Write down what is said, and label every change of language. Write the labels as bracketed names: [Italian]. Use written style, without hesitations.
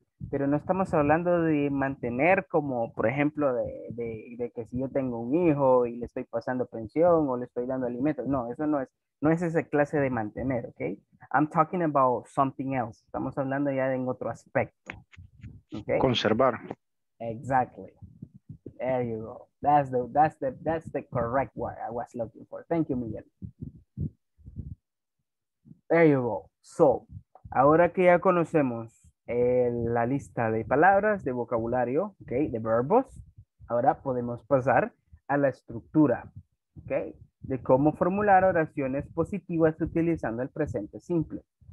[Spanish] Pero no estamos hablando de mantener como, por ejemplo, de que si yo tengo un hijo y le estoy pasando pensión o le estoy dando alimentos. No, eso no es, no es esa clase de mantener, ¿ok? [English] I'm talking about something else. [Spanish] Estamos hablando ya de en otro aspecto, ¿ok? Conservar. [English] Exactly. There you go. That's the correct word I was looking for. Thank you, Miguel. There you go. [Spanish] So, ahora que ya conocemos la lista de palabras, de vocabulario, okay, de verbos. Ahora podemos pasar a la estructura, okay, de cómo formular oraciones positivas utilizando el presente simple.